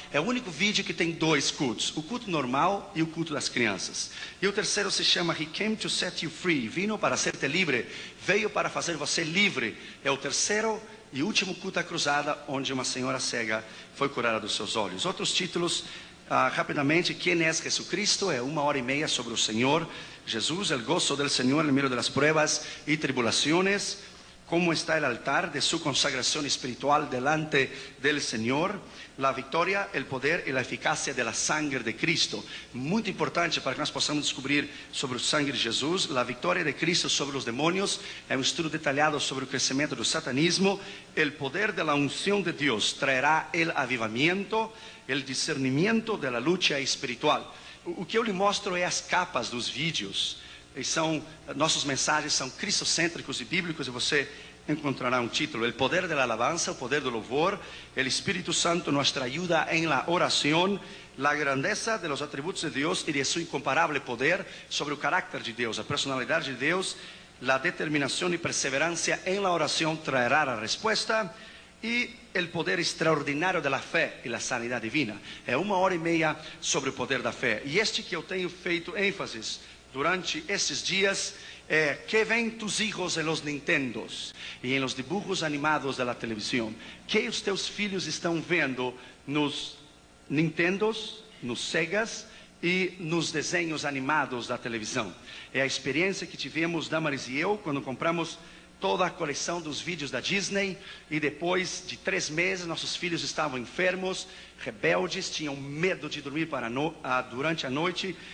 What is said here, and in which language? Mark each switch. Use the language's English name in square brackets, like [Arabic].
[Portuguese] É o único vídeo que tem 2 cultos, o culto normal e o culto das crianças. E o terceiro se chama [English] He Came to Set You Free. [Spanish] Vino para ser-te [Portuguese] livre. Veio para fazer você livre. É o terceiro e último culto da cruzada, onde uma senhora cega foi curada dos seus olhos. Outros títulos, rapidamente, Quem é Jesus Cristo? É 1 hora e meia sobre o Senhor Jesus, [Spanish] el gozo del Señor en medio de las pruebas y tribulaciones. Como está el altar de su consagración espiritual delante del Señor? La victoria, el poder y la eficacia de la sangre de Cristo. [Portuguese] Muito importante para que nós possamos descobrir sobre o sangue de Jesus. [Spanish] La victoria de Cristo sobre los demonios. [Portuguese] É um estudo detalhado sobre o crescimento do satanismo. [Spanish] El poder de la unción de Dios traerá el avivamiento, el discernimiento de la lucha espiritual. [Portuguese] O que eu lhe mostro é as capas dos vídeos. E são, nossos mensagens são cristocêntricos e bíblicos, e você encontrará um título: [Spanish] El poder de la alabanza, [Portuguese] o poder do louvor, [Spanish] El Espírito Santo, nuestra ayuda en la oración, La grandeza de los atributos de Dios y de su incomparável poder [Portuguese] sobre o carácter de Deus, a personalidade de Deus, La determinação e perseverança [Spanish] en la oración traerá [Portuguese] a resposta, e [Spanish] El poder extraordinário de la fe y la sanidad divina. [Portuguese] É 1 hora e meia sobre o poder da fé. E este que eu tenho feito ênfase durante esses dias é que vem [Spanish] tus hijos en los Nintendos [Portuguese] e [Spanish] en los dibujos animados de la televisión. [Portuguese] Que os teus filhos estão vendo nos Nintendos, nos Segas e nos desenhos animados da televisão. É a experiência que tivemos Damaris e eu quando compramos toda a coleção dos vídeos da Disney, e depois de 3 meses nossos filhos estavam enfermos, rebeldes, tinham medo de dormir durante a noite.